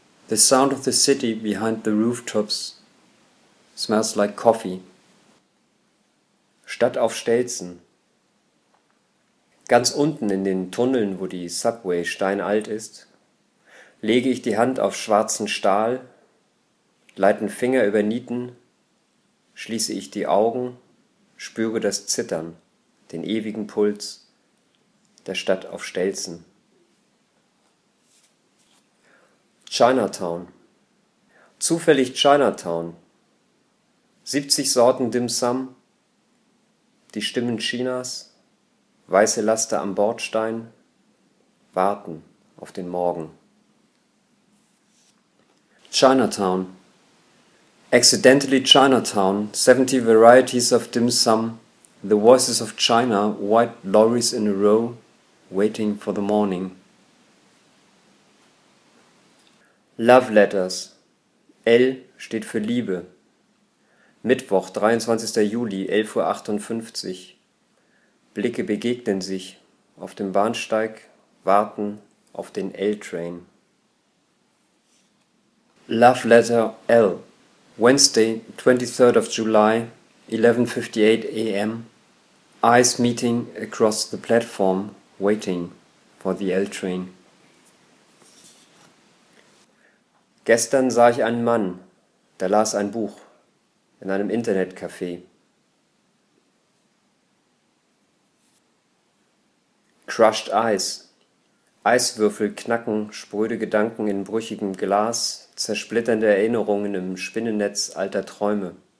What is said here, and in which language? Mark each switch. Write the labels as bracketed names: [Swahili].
[English] The sound of the city behind the rooftops smells like coffee. [German] Stadt auf Stelzen. Ganz unten in den Tunneln, wo die Subway steinalt ist, lege ich die Hand auf schwarzen Stahl, leiten Finger über Nieten, schließe ich die Augen, spüre das Zittern, den ewigen Puls der Stadt auf Stelzen. Chinatown. Zufällig Chinatown. 70 Sorten Dim Sum, die Stimmen Chinas, weiße Laster am Bordstein, warten auf den Morgen. Chinatown. [English] Accidentally Chinatown, 70 varieties of dim sum, the voices of China, white lorries in a row, waiting for the morning. [German] Love Letters. L steht für Liebe. Mittwoch, 23. Juli, 11.58 Uhr. Blicke begegnen sich auf dem Bahnsteig, warten auf den L-Train. Love Letter L. [English] Wednesday, 23rd of July, 11:58 a.m., eyes meeting across the platform, waiting for the L train. [German] Gestern sah ich einen Mann, der las ein Buch in einem Internetcafé. Crushed Ice. Eiswürfel knacken, spröde Gedanken in brüchigem Glas, zersplitternde Erinnerungen im Spinnennetz alter Träume.